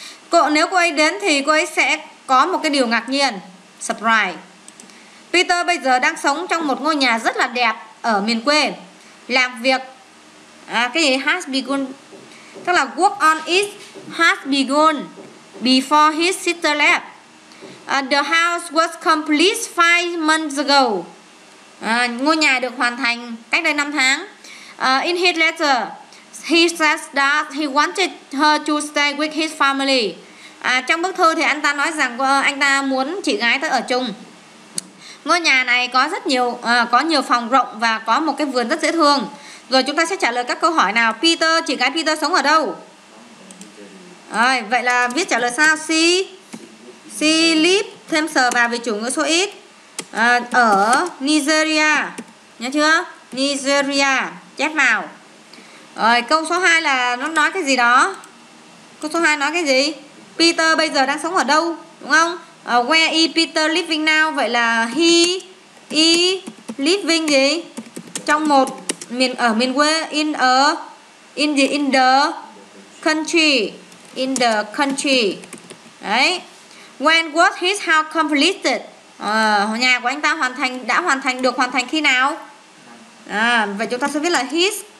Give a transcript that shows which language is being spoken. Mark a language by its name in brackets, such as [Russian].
[Vietnamese] Cô, nếu cô ấy đến thì cô ấy sẽ có một cái điều ngạc nhiên, surprise. Peter bây giờ đang sống trong một ngôi nhà rất là đẹp ở miền quê, làm việc cái gì [English] has begun, [Vietnamese] tức là [English] work on it has begun before his sister left. The house was complete 5 months ago. [Vietnamese] Ngôi nhà được hoàn thành cách đây 5 tháng. [English] In his letter, he says that he wanted her to stay with his family. [Vietnamese] Trong bức thư thì anh ta nói rằng anh ta muốn chị gái tới ở chung. Ngôi nhà này có rất nhiều có nhiều phòng rộng và có một cái vườn rất dễ thương. Rồi chúng ta sẽ trả lời các câu hỏi nào. Peter, chị gái Peter sống ở đâu? Rồi, vậy là viết trả lời sao? [English] She lives, [Vietnamese] thêm sờ vào vì chủ ngữ số ít, ở Nigeria. Nhớ chưa? Nigeria, chép vào. Rồi, câu số 2 là nó nói cái gì đó? Câu số 2 nói cái gì? Peter bây giờ đang sống ở đâu? Đúng không? [English] Where is Peter living now? [Vietnamese] Vậy là [English] he is living [Vietnamese] gì? Trong một miền, ở miền quê. [English] In a, in the, in the country. In the country. Đấy. When was his house completed? [Vietnamese] Nhà của anh ta hoàn thành, đã hoàn thành, được hoàn thành khi nào? Vậy chúng ta sẽ viết là his.